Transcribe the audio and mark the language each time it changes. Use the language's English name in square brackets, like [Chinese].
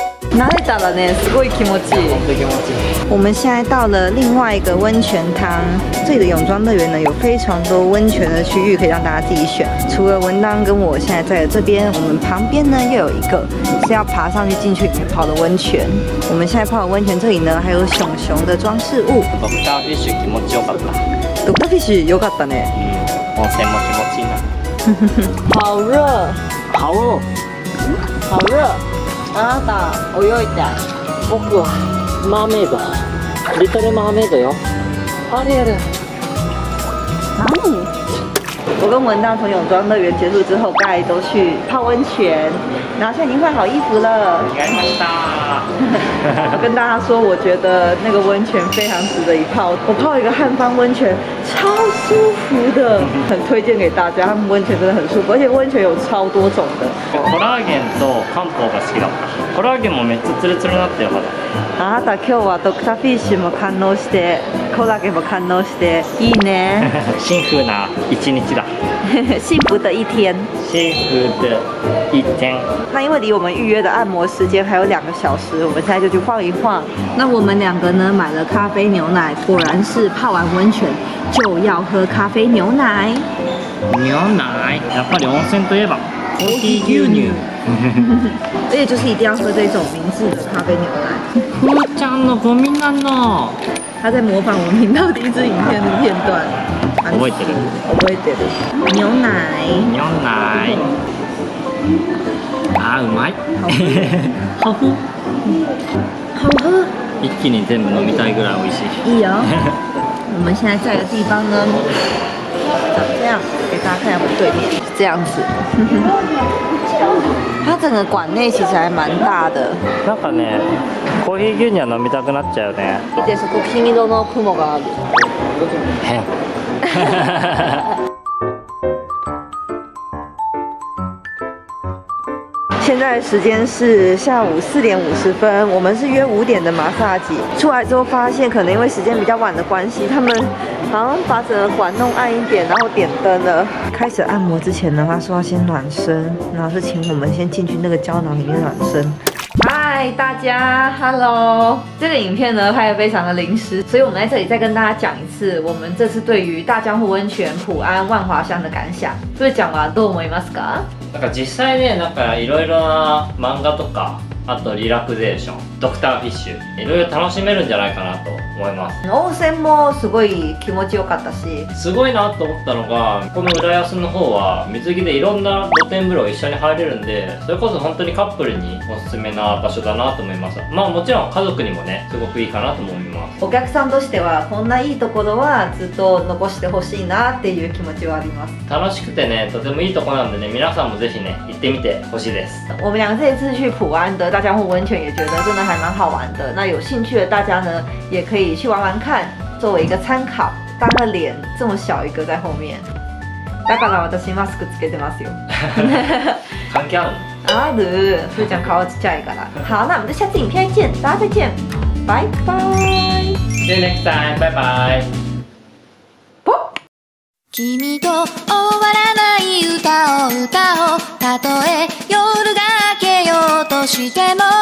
[Japanese] 慣れたらね、すごい気持ちいい。 [Chinese] 我们现在到了另外一个温泉汤，这里的泳装乐园呢有非常多温泉的区域可以让大家自己选。除了文当跟我现在在的这边，我们旁边呢又有一个是要爬上去进去泡的温泉。我们现在泡的温泉这里呢还有熊熊的装饰物。 [Japanese] ドクターフィッシュ気持ちよかった。ドクターフィッシュよかったね。温泉も気持ちいいな。 [Chinese] 好热，好热，好热。 [Japanese] あなた泳いで。僕はマーメイド。リトルマーメイドよ。アリエル。何？ [Chinese] 我跟文当从泳装乐园结束之后，大家都去泡温泉，然后现在已经换好衣服了。干啥？跟大家说，我觉得那个温泉非常值得一泡。我泡一个汉方温泉，超舒服的，很推荐给大家。他们温泉真的很舒服，而且温泉有超多种的。 [Japanese] コラーゲンと漢方が好きだった。コラーゲンもめっちゃツルツルになってよかった。あなた今日はドクターフィッシュも堪能して、コラーゲンも堪能して、いいね。幸福な一日だ。 [Chinese] 幸福的一天。幸福的一天。那因为离我们预约的按摩时间还有2个小时，我们现在就去晃一晃。那我们两个呢，买了咖啡牛奶，果然是泡完温泉就要喝咖啡牛奶。 [Japanese] 牛奶，やっぱり温泉といえば。コーヒー牛乳。 [Chinese] 而且就是一定要喝这种名字的咖啡牛奶。 [Japanese] ふーちゃんのごみなの。 [Chinese] 他在模仿我们频道第一支影片的片段。 [Japanese] 覚えてる。覚えてる。牛奶。牛奶。啊，うまい。 [Chinese] 好喝。好喝。 [Japanese] 一気に全部飲みたいぐらい美味しい。いいよ。 [Chinese] 我们现在在的地方呢，长这样，给大家看一下我们对面，是这样子。它整个馆内其实还蛮大的。 [Japanese] なんかね、コーヒー牛乳は飲みたくなっちゃうね。見てそこ黄色の雲がある。へ。 [Chinese] 现在时间是下午4:50，我们是约5点的马萨吉。出来之后发现，可能因为时间比较晚的关系，他们好像把整个馆弄暗一点，然后点灯了。开始按摩之前呢，他说要先暖身，然后是请我们先进去那个胶囊里面暖身。嗨，大家 ，Hello。这个影片呢拍得非常的临时，所以我们在这里再跟大家讲一次，我们这次对于大江户温泉普安万华乡的感想。就是讲完 [Japanese] どう思いますか？なんか実際ね、なんかいろいろな漫画とか、あとリラクゼーション、ドクターフィッシュ、いろいろ楽しめるんじゃないかなと思います。温泉もすごい気持ちよかったし。すごいなと思ったのが、この浦安の方は水着でいろんな露天風呂一緒に入れるんで、それこそ本当にカップルにおすすめな場所だなと思います。まあもちろん家族にもね、すごくいいかなと思います。お客さんとしてはこんないいところはずっと残してほしいなっていう気持ちはあります。楽しくてね、とてもいいところなんでね、皆さんもぜひね、行ってみてほしいです。 [Chinese] 我们俩这次去普安的大江户温泉也觉得真的还蛮好玩的。那有兴趣的大家呢，也可以去玩玩看，作为一个参考。大家的脸这么小一个在后面， [Japanese] だから私マスクつけてますよ。関係ある。ある。それじゃ顔ちっちゃいから。 [Chinese] 好，那我们就下次影片再见，大家再见，拜拜。 [English] See you next time. Bye bye. ぽ。 [Japanese] 君と終わらない歌を歌おう。たとえ夜が明けようとしても。